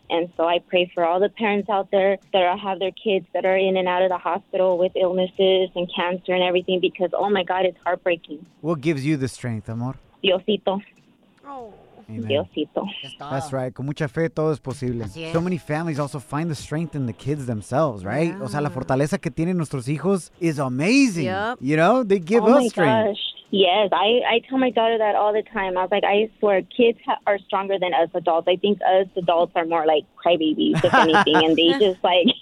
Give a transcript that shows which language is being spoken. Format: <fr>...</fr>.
<en>And so I pray for all the parents out there that have their kids that are in and out of the hospital with illnesses and cancer and everything, because, oh, my God, it's heartbreaking. What gives you the strength, amor?</en> <es>Diosito. Amen.</es> <en>That's right.</en> <es>Con mucha fe, todo es posible.</es> <en>So many families also find the strength in the kids themselves, right?</en> <es>Yeah. O sea, la fortaleza que tienen nuestros hijos</es> <en>is amazing. Yep. You know, they give us strength. Oh, my gosh. Yes, I tell my daughter that all the time. I was like, I swear, kids are stronger than us adults. I think us adults are more like crybabies, if anything, and they just like...</en>